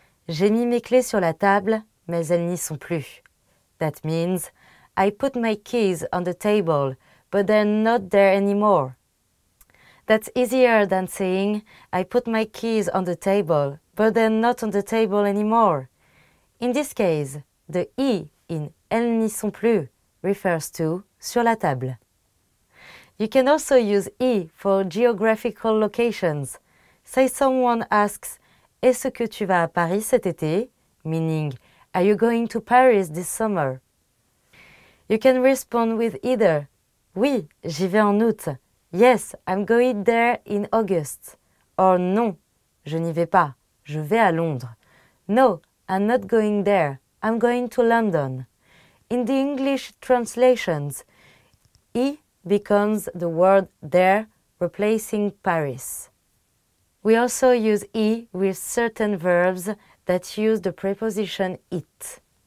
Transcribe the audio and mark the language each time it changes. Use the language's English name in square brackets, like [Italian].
[French] J'ai mis mes clés sur la table, mais elles n'y sont plus. [English] That means, I put my keys on the table, but they're not there anymore. That's easier than saying, I put my keys on the table, but they're not on the table anymore. In this case, the E in [French] elles n'y sont plus [English] refers to [French] sur la table. [English] You can also use E for geographical locations. Say someone asks, [French] est-ce que tu vas à Paris cet été? [English] Meaning, are you going to Paris this summer? You can respond with either, [French] oui, j'y vais en août. [English] Yes, I'm going there in August. Or [French] non, je n'y vais pas, je vais à Londres. [English] No, I'm not going there, I'm going to London. In the English translations, E becomes the word there, replacing Paris. We also use E with certain verbs that use the preposition it.